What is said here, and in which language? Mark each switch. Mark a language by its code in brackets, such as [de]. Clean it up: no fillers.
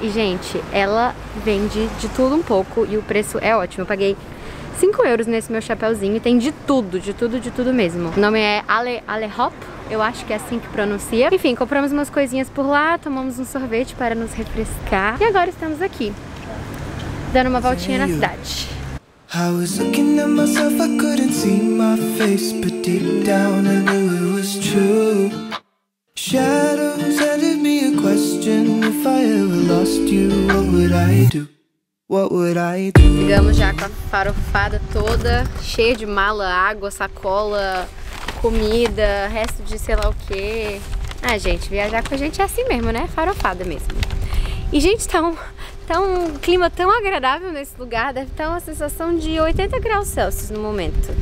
[pt] E, gente, ela vende de tudo um pouco e o preço é ótimo. Eu paguei 5 euros nesse meu chapéuzinho. Tem de tudo mesmo. O nome é Ale Hop, eu acho que é assim que pronuncia. Enfim, compramos umas coisinhas por lá, tomamos um sorvete para nos refrescar. E agora estamos aqui, dando uma voltinha na cidade. [en] I was looking at myself, I couldn't see my face, but deep down I knew it was true. Shadows handed me a question, if I ever lost you, what would I do? What would I do? [pt] Ligamos já com a farofada toda, cheia de mala, água, sacola, comida, resto de sei lá o que. Ah, gente, viajar com a gente é assim mesmo, né? Farofada mesmo. E, gente, tá um clima tão agradável nesse lugar, deve estar uma sensação de 80 graus Celsius no momento.